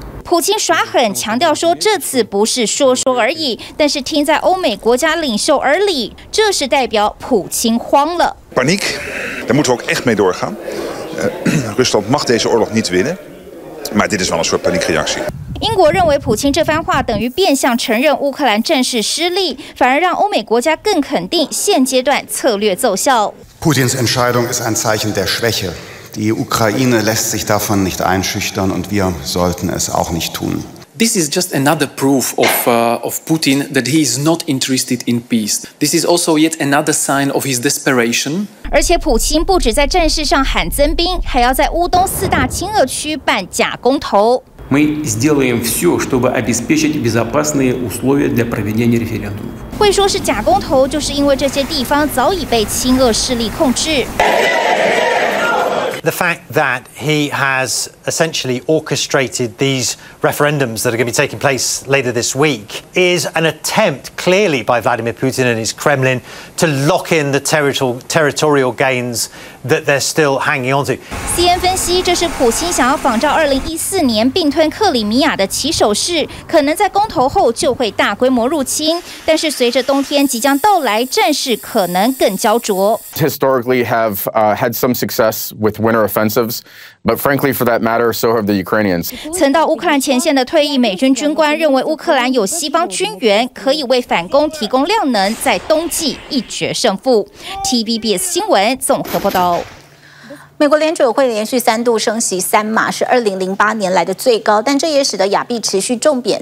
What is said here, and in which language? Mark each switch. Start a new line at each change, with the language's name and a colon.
Chinese: 普京耍狠，强调说这次不是说说而已，但是听在欧美国家领袖耳里，这是代表普京慌了。
Dutch: Paniek, daar moeten we ook echt mee doorgaan. Rusland mag deze oorlog niet winnen, maar dit is wel een soort paniekreactie.
Chinese: 英国认为普京这番话等于变相承认乌克兰战事失利，反而让欧美国家更肯定现阶段策略奏效。
German: Putins Entscheidung ist ein Zeichen der Schwäche. Die Ukraine lässt sich davon nicht einschüchtern und wir sollten es auch nicht tun.
English: This is just another proof of Putin that he is not interested in peace. This is also yet another sign of his desperation.
Chinese: 而且普京不止在战事上喊增兵，还要在乌东四大亲俄区办假公投。
Russian: Мы сделаем все, чтобы обеспечить безопасные условия для проведения референдума.
Chinese: 会说是假公投，就是因为这些地方早已被亲俄势力控制。
English: The fact that he has essentially orchestrated these referendums that are going to be taking place later this week is an attempt, clearly, by Vladimir Putin and his Kremlin to lock in the territorial gains that they're still hanging on to.
Chinese: CNN 分析，这是普京想要仿照2014年并吞克里米亚的起手式，可能在公投后就会大规模入侵。但是随着冬天即将到来，战事可能更焦灼。
English: Historically, have had some success with winter offensives. But frankly, for that matter, so have the Ukrainians.
Chinese: 曾到乌克兰前线的退役美军军官认为，乌克兰有西方军援，可以为反攻提供量能，在冬季一决胜负。 TVBS 新闻综合报道。美国联准会连续三度升息三码，是2008年来的最高，但这也使得亚币持续重贬。